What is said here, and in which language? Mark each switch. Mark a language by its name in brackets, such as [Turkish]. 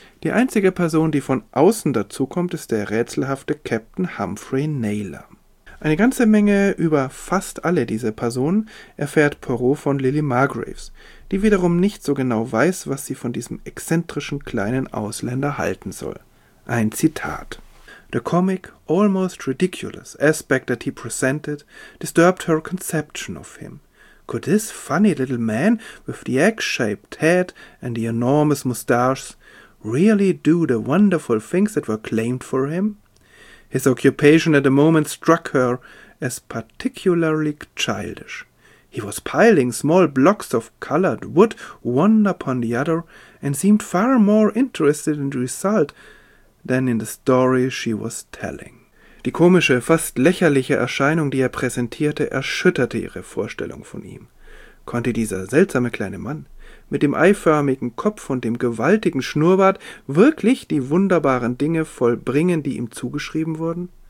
[German] Die einzige Person, die von außen dazukommt, ist der rätselhafte Captain Humphrey Naylor. Eine ganze Menge über fast alle diese Personen erfährt Poirot von Lily Margraves, die wiederum nicht so genau weiß, was sie von diesem exzentrischen kleinen Ausländer halten soll. Ein Zitat. [English] The comic, almost ridiculous aspect that he presented, disturbed her conception of him. Could this funny little man with the egg-shaped head and the enormous moustaches really do the wonderful things that were claimed for him? His occupation at the moment struck her as particularly childish. He was piling small blocks of colored wood one upon the other and seemed far more interested in the result than in the story she was telling. [German] Die komische, fast lächerliche Erscheinung, die er präsentierte, erschütterte ihre Vorstellung von ihm. Konnte dieser seltsame kleine Mann mit dem eiförmigen Kopf und dem gewaltigen Schnurrbart wirklich die wunderbaren Dinge vollbringen, die ihm zugeschrieben wurden?